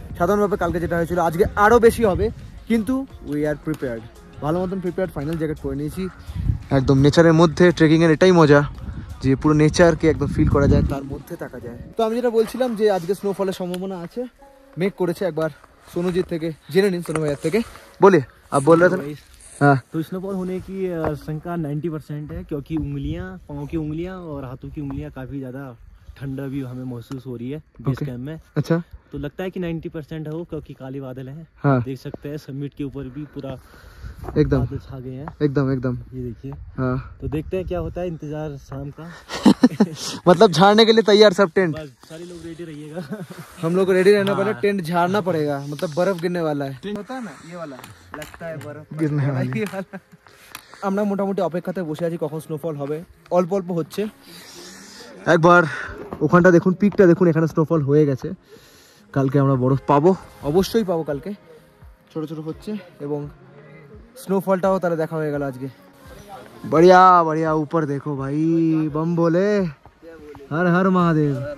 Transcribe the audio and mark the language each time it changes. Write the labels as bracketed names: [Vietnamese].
[Bangla] সাধারণভাবে কালকে যেটা হয়েছিল আজকে আরও বেশি হবে, কিন্তু [English] we are prepared, [Bangla] ভালো মতন প্রিপেয়ার্ড, ফাইনাল জ্যাকেট পরে নিয়েছি। একদম নেচারের মধ্যে ট্রেকিংয়ের এটাই মজা যে পুরো নেচারকে একদম ফিল করা যায়, তার মধ্যে থাকা যায়। তো আমি যেটা বলছিলাম যে আজকে স্নোফলের সম্ভাবনা আছে, মেঘ করেছে। একবার সোনুজিৎ থেকে জেনে নিন, সোনু ভাইয়ার থেকে বলে আর বলে রাখেন। [Hindi] हाँ, तो स्नोफॉल होने की आशंका 90% है, क्योंकि उंगलियां, पांव की उंगलियां और हाथों की उंगलियां काफी ज्यादा ठंडा भी हमें महसूस हो रही है बेस कैंप में। अच्छा, तो लगता है कि 90% है वो, क्योंकि काले बादल हैं। हाँ, देख सकते हैं समिट के ऊपर भी पूरा एकदम बादल छा गए हैं, एकदम एकदम, ये देखिए। हाँ, तो देखते हैं क्या होता है, इंतजार शाम का। मतलब झाड़ने के लिए तैयार सब टेंट, सारे लोग रेडी रहिएगा। हम लोग रेडी रहना पड़ेगा, टेंट झाड़ना पड़ेगा, मतलब बर्फ गिरने वाला है। टेंट होता है ना ये वाला, लगता है बर्फ गिरने वाला। [Bangla] আমরা মোটামুটি অপেক্ষাতে বসে আছি কখন স্নোফল হবে, অল্প অল্প হচ্ছে। একবার ওখানটা দেখুন, পিকটা দেখুন, এখানে স্নোফল হয়ে গেছে। কালকে আমরা বরফ পাবো, অবশ্যই পাবো কালকে, ছোট ছোট হচ্ছে এবং স্নোফলটাও তাহলে দেখা হয়ে গেল আজকে। [Hindi] बढ़िया बढ़िया, ऊपर देखो भाई, बम बोले, हर हर महादेव।